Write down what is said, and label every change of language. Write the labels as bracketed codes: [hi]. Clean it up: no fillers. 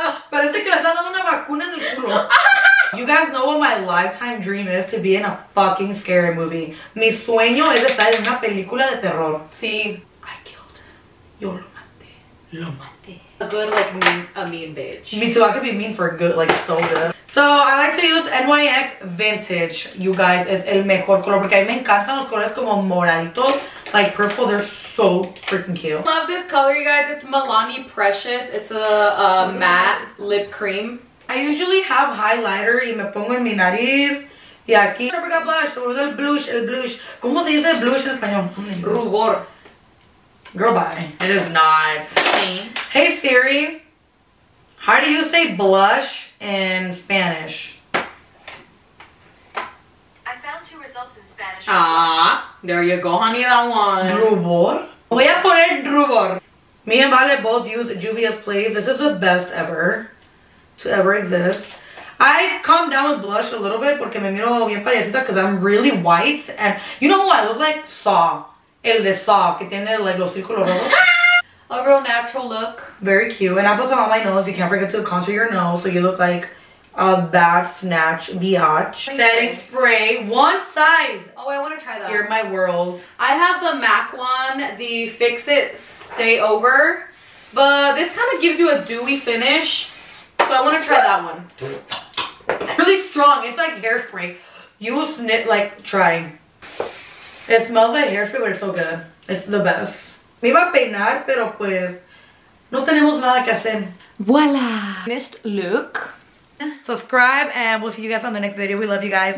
[es] Parece que le están dando una vacuna en el culo. [en] You guys know what my lifetime dream is, to be in a fucking scary movie. [es] Mi sueño es estar en una película de terror. Sí. [en] I killed him. [es] Yo lo maté. Lo maté. [en] A good, like, mean bitch. Me too. I could be mean for good, like, so good. So, I like to use NYX Vintage, you guys. [es] Es el mejor color. Porque a mí me encantan los colores como moraditos. [en] Like, purple, they're so freaking cute. Love this color, you guys. It's Milani Precious. It's a matte lip cream. I usually have highlighter [es] y me pongo en mi nariz y aquí. [en] I forgot blush, so it's el blush. [es] ¿Cómo se dice blush en español? Rubor. [en] Girl, bye. It is not. Hey Siri. How do you say blush in Spanish? I found two results in Spanish. Ah, there you go, honey, that one. [es] Rubor. Voy a poner rubor. [en] Me and Vale both use Juvia's Place. This is the best ever to ever exist. I calm down with blush a little bit [es] porque me miro bien payasita [en] because I'm really white. And you know who I look like? Saw. El de Saw, que tiene like los círculos rojos. A real natural look. Very cute. And I put some on my nose. You can't forget to contour your nose so you look like a bad snatch biatch. Setting spray, one size. Oh, I want to try that. You're my world. I have the MAC one, the Fix It Stay Over. But this kind of gives you a dewy finish. So I want to try that one. Really strong. It's like hairspray. You will snip, like, try. It smells like hairspray, but it's so good. It's the best. [es] Me iba a peinar, pero pues, no tenemos nada que hacer. [en] Voila. Finished look. Subscribe, and we'll see you guys on the next video. We love you guys.